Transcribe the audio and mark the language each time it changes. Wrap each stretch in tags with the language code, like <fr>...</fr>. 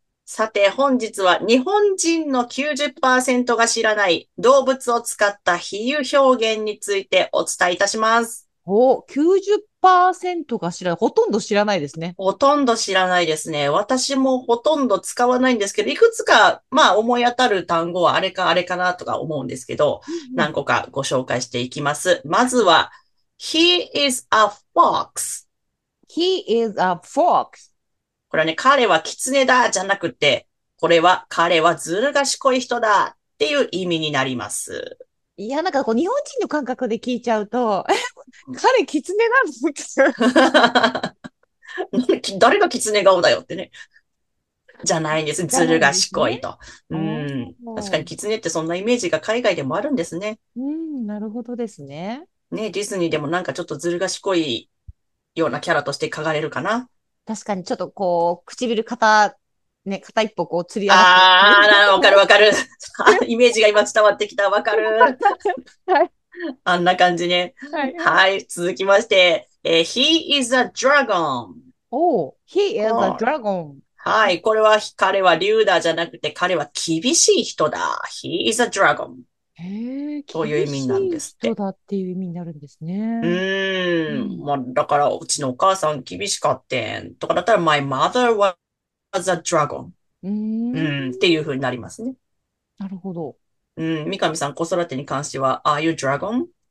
<ja>さて、本日は日本人の 90% が知らない動物を使った比喩表現についてお伝えいたします。お、90% が知らない。ほとんど知らないですね。ほとんど知らないですね。私もほとんど使わないんですけど、いくつか、まあ思い当たる単語はあれかあれかなとか思うんですけど、何個かご紹介していきます。</ja> <en>まずは、He is a fox. He is a fox.</en> <ja>これはね、彼は狐だじゃなくて、これは彼はずる賢い人だっていう意味になります。いや、なんかこう日本人の感覚で聞いちゃうと、彼狐なの？誰が狐顔だよってね。じゃないんです。ずる賢いと。うん。確かに狐ってそんなイメージが海外でもあるんですね。なるほどですね。ね、ディズニーでもなんかちょっとずる賢いようなキャラとして描かれるかな。確かに、ちょっとこう、唇片、ね、片一歩こう、釣り合わせて。あー、わかるわかる。イメージが今伝わってきた。わかる。はい、あんな感じね、はい。はい。</ja> <en>続きまして、He is a dragon. おう、He is a dragon.</en> <ja>はい。これは、彼は竜だじゃなくて、彼は厳しい人だ。</ja> <en>He is a dragon.</en> <ja>へー、厳しい人だっていう意味になるんですね。まあ、だから、うちのお母さん厳しかってん。</ja> <en>とかだったら、my mother was a dragon.</en> <ja>っていう風になりますね。なるほど。三上さん、子育てに関しては、</ja> <en>are you dragon?</en>